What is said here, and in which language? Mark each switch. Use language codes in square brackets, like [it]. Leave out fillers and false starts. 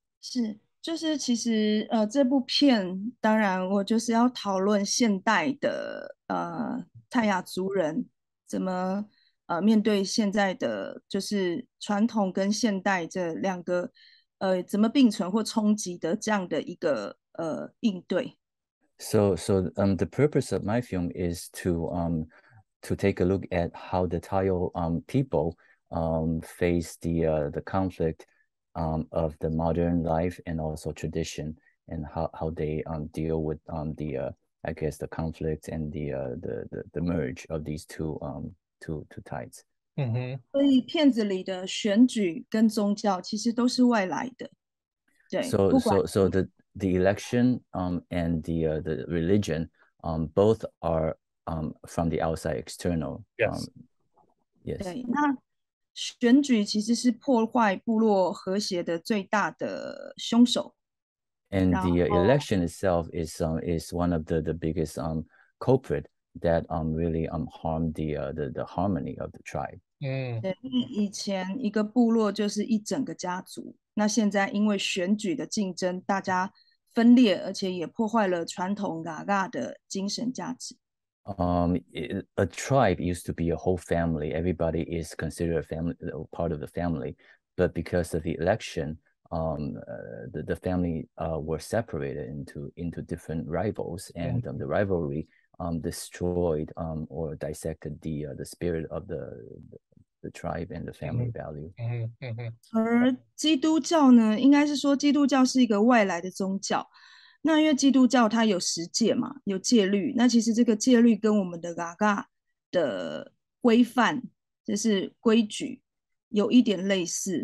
[zh] 是，就是其实这部片当然我就是要讨论现代的泰雅族人怎么面对现在的就是传统跟现代这两个怎么并存或冲击的这样的一个应对。 [en] So the purpose of my film is to take a look at how the Thai people face the conflict of the modern life and also tradition, and how they deal with the conflict and the merge of these two tides. [zh] 所以片子里的选举跟宗教其实都是外来的。对。 [en] So the election and the religion both are from the outside external. Yes. Yes. [zh] 对，那选举其实是破坏部落和谐的最大的凶手。 [en] And the election itself is one of the biggest culprit that really harm the harmony of the tribe. [zh] 以前一个部落就是一整个家族，那现在因为选举的竞争，大家分裂，而且也破坏了传统 Gaga 的精神价值。 [en] A tribe used to be a whole family. Everybody is considered a family, part of the family, but because of the election, the family were separated into different rivals, and the rivalry destroyed or dissected the spirit of the tribe and the family value. [zh] 而基督教呢，应该是说基督教是一个外来的宗教。那因为基督教它有十诫嘛，有戒律。那其实这个戒律跟我们的 Gaga 的规范，就是规矩，有一点类似。